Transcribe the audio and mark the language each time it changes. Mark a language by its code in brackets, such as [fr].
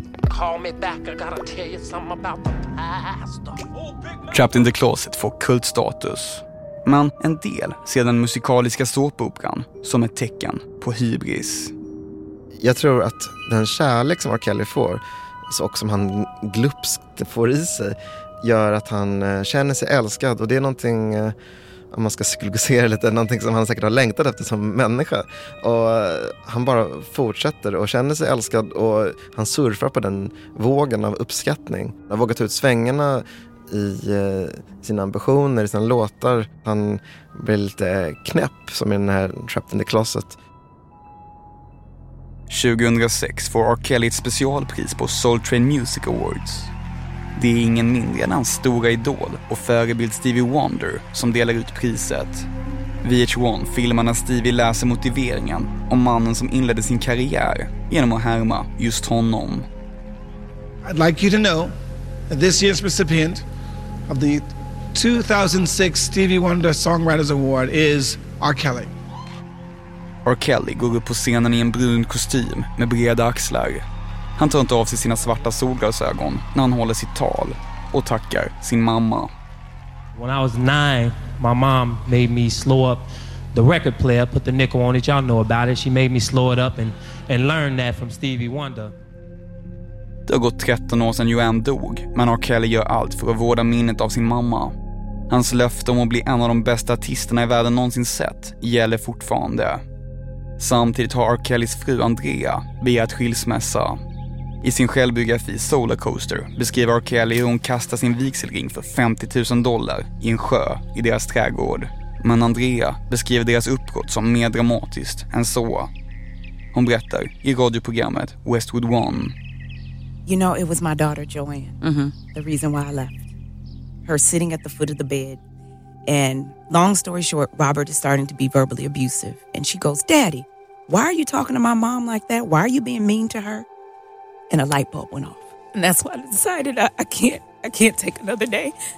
[en] Call me back, I gotta tell you something about the past. [sv] Trapped in the Closet får kultstatus. Men en del ser den musikaliska såpopran som ett tecken på hybris. Jag tror att den kärlek som R. Kelly får, och som han glupskt får i sig, gör att han känner sig älskad. Och det är någonting, om man ska psykologisera lite, någonting som han säkert har längtat efter som människa. Och han bara fortsätter och känner sig älskad, och han surfar på den vågen av uppskattning. Han har vågat ut svängarna i sina ambitioner, i sina låtar. Han blir lite knäpp, som i den här Trapped in the Closet. 2006 får R. Kelly ett specialpris på Soul Train Music Awards. Det är ingen mindre än hans stora idol och förebild Stevie Wonder som delar ut priset. VH1 filmar när Stevie läser motiveringen om mannen som inledde sin karriär genom att härma just honom. [en] I'd like you to know that this year's recipient of the 2006 Stevie Wonder Songwriters Award is R. Kelly. [sv] R. Kelly går upp på scenen i en brun kostym med breda axlar. Han tar inte av sig sina svarta solglasögon när han håller sitt tal och tackar sin mamma. [en] When I was 9, my mom made me slow up the record player, put the nickel on it, y'all know about it. She made me slow it up and learn that from Stevie Wonder. [sv] Det har gått 13 år sedan Joanne dog, men R. Kelly gör allt för att vårda minnet av sin mamma. Hans löfte om att bli en av de bästa artisterna i världen någonsin sett gäller fortfarande. Samtidigt har R. Kellys fru Andrea begärt skilsmässa. I sin självbiografi Solar Coaster beskriver R. Kelly hur hon kastar sin vigselring för $50,000 i en sjö i deras trädgård. Men Andrea beskriver deras uppbrott som mer dramatiskt än så. Hon berättar i radioprogrammet Westwood One. [en] You know, it was my daughter, Joanne, the reason why I left. Her sitting at the foot of the bed. And long story short, Robert is starting to be verbally abusive. And she goes, Daddy, why are you talking to my mom like that? Why are you being mean to her? And a light bulb went off. And that's why I decided I can't take another day.